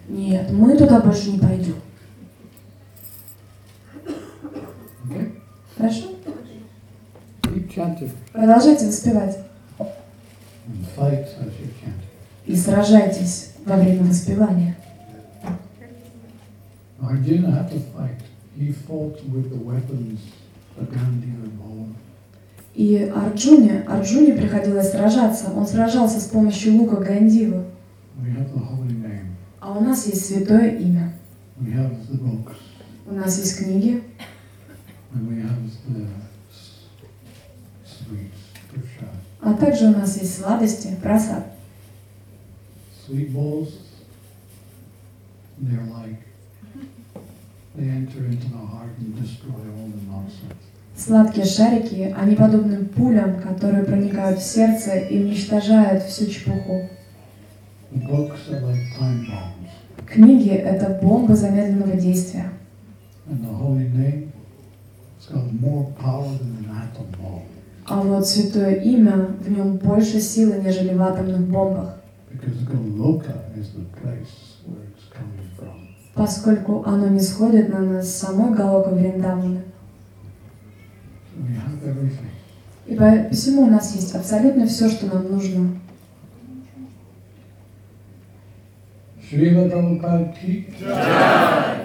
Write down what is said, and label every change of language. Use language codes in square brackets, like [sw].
[ru] Нет, мы туда больше не пойдем. [en] Okay. [ru] Хорошо? [en] Keep chanting. [ru] Продолжайте воспевать. [en] And fight as [ru] и сражайтесь во время воспевания. [en] Arjuna had to fight. He fought with the weapons that Gandhi had borne. [ru] И Арджуне приходилось сражаться. Он сражался с помощью лука Гандивы. [en] We have the holy name. [ru] А у нас есть святое имя. [en] We have the books. [ru] У нас есть книги. [en] And we have the sweets, prasad. [ru] А также у нас есть сладости, прасад. [en] Sweet balls, they're like, they enter into the heart and destroy all the nonsense. [ru] Сладкие шарики, они подобны пулям, которые проникают в сердце и уничтожают всю чепуху. [en] Books are like time bombs. [ru] Книги — это бомбы замедленного действия. [en] And the holy name, it's got more power than an atom bomb. [ru] А вот святое имя, в нем больше силы, нежели в атомных бомбах. [en] Because Goloka is the place where it's coming from. [ru] Поскольку оно нисходит на нас, само Голока Вриндавана. [en] We have everything. [ru] И посему у нас есть абсолютно все, что нам нужно. Шрила Прабхупада ки. Джай!